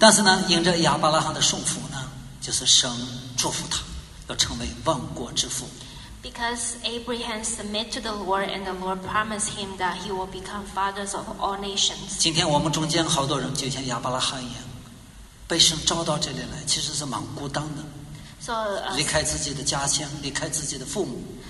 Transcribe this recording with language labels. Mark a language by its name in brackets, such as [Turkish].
[Chinese] 但是呢，因着亚伯拉罕的顺服呢，就是神祝福他，要成为万国之父。 [English] Because Abraham submit to the Lord, and the Lord promised him that he will become fathers of all nations. [Chinese] 今天我们中间好多人就像亚伯拉罕一样，被神召到这里来，其实是蛮孤单的。 So 离开自己的家乡，离开自己的父母。